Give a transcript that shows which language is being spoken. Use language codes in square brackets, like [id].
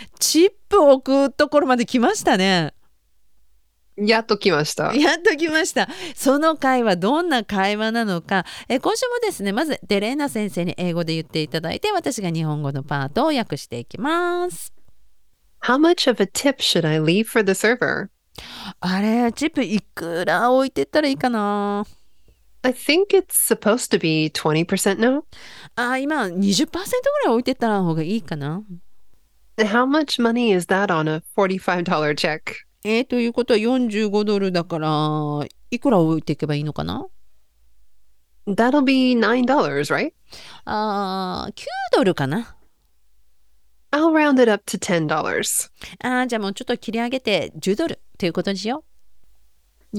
[ja] チップを置くところまで来ましたね。やっと来ました。やっと来ました。その会話どんな会話なのか、今週もですね、まずデレーナ先生に英語で言っていただいて、私が日本語のパートを訳していきます。 [en] How much of a tip should I leave for the server? [ja] あれ、チップいくら置いてったらいいかな。 [en] I think it's supposed to be 20% now. [ja] 今 20% ぐらい置いてった方がいいかな。 [en] How much money is that on a $45 check? [ja] ということは45ドルだから、いくら置いていけばいいのかな? [en] That'll be $9, right? [ja] 9ドルかな? [en] I'll round it up to $10. [ja] じゃあもうちょっと切り上げて10ドルということにしよう。